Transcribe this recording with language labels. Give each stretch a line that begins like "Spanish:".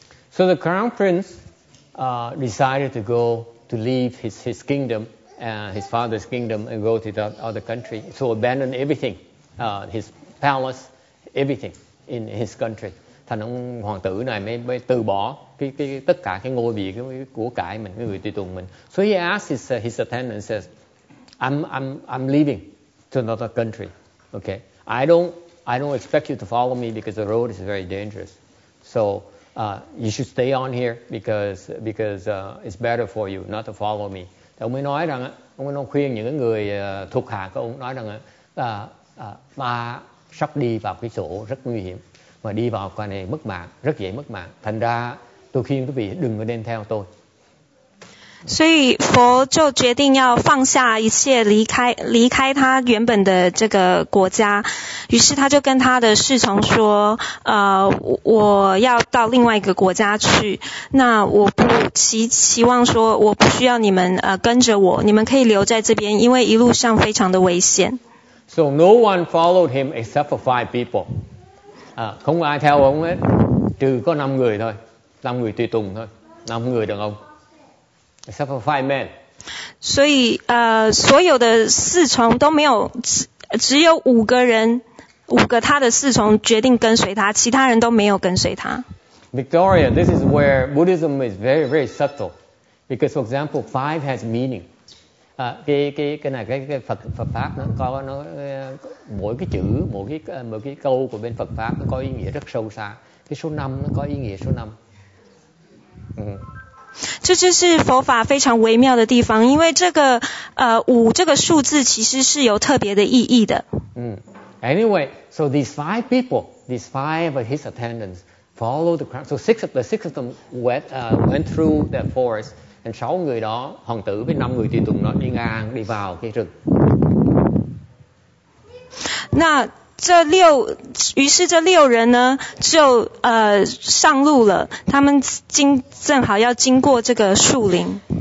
English: So the crown prince decided to go to leave his kingdom and his father's kingdom and go to the other country. So abandon everything, his palace, everything. In his country,
Vietnamese: thành ông hoàng tử này mới từ bỏ cái tất cả cái ngôi vị của cải mình, cái người tùy tùng mình.
English: So he asks his attendant, says, I'm leaving to another country. Okay, I don't expect you to follow me because the road is very dangerous. So you should stay on here because it's better for you not to follow me.
Vietnamese: Thì ông mới nói rằng, ông mới nói khuyên những người thuộc hạ của ông nói rằng là sắp đi vào cái chỗ rất nguy hiểm mà đi vào cái này mất mạng, rất dễ mất mạng, thành ra tôi khuyên quý vị đừng có nên theo tôi.
Chinese: 所以佛就决定要放下一切离开他原本的这个国家，于是他就跟他的侍从说，我要到另外一个国家去，那我不期望说我不需要你们跟着我，你们可以留在这边，因为一路上非常的危险。
English: So no one followed him except for five people.
Vietnamese: Không ai theo ông hết, trừ có năm người thôi, năm người tùy tùng thôi, năm người đàn ông.
English: Except for five men.
Chinese: 所以所有的侍从都没有，只有五个人，五个他的侍从决定跟随他，其他人都没有跟随他。
English: Victoria, this is where Buddhism is very, very subtle. Because, for example, five has meaning.
Vietnamese: Cái Phật Phật pháp nó có nó mỗi cái chữ mỗi cái câu của bên Phật pháp nó có ý nghĩa rất sâu xa, cái số năm nó có ý nghĩa số năm.
Chinese: 这就是佛法非常微妙的地方，因为这个五这个数字其实是有特别的意义的。
English: Anyway, so these five of his attendants followed the crown. So six of them went through the forest.
Vietnamese: Thì sáu người đó, hoàng tử với năm người tùy tùng nó đi ngang, đi vào cái rừng.
Chinese: 那这六，于是这六人呢，就上路了。他们正好要经过这个树林。